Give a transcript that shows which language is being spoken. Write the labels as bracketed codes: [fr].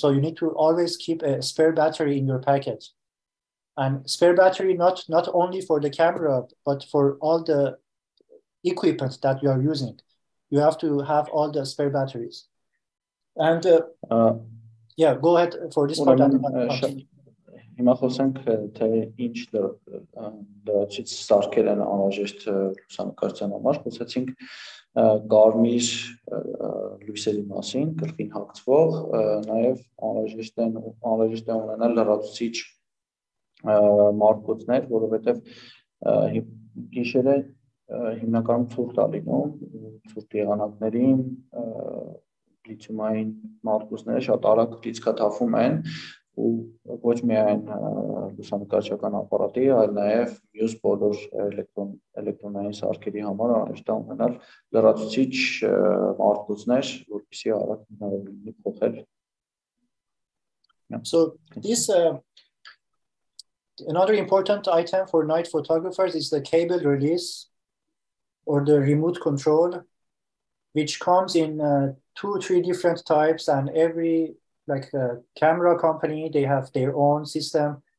[en] So you need to always keep a spare battery in your pocket. And spare battery, not only for the camera, but for all the equipment that you are using. You have to have all the spare batteries. And yeah, go ahead for this part. [hy] Հիմա խոսենք թե ինչ լրացուցիչ սարքեր են անհրաժեշտ լուսանկարչության համար, խոսեցինք կարմիր լույսերի մասին, գլխին հագցվող, նաև անհրաժեշտ է ունենալ լրացուցիչ մարկոցներ, որովհետև գիշերը հիմնականում ցուրտ է լինում, ցուրտ եղանակներին լիթիումային մարկոցները շատ արագ լիցքաթափում են, ու ոչ միայն լուսանկարչական ապարատի, այլ նաև մյուս բոլոր էլեկտրոնային սարքերի համար անհրաժեշտ է ունենալ լրացուցիչ մարկոցներ, որպեսզի արագ հնարավոր լինի փոխել։ [en] So this another important item for night photographers is the cable release or the remote control, which comes in two or three different types, and every like a camera company, they have their own system.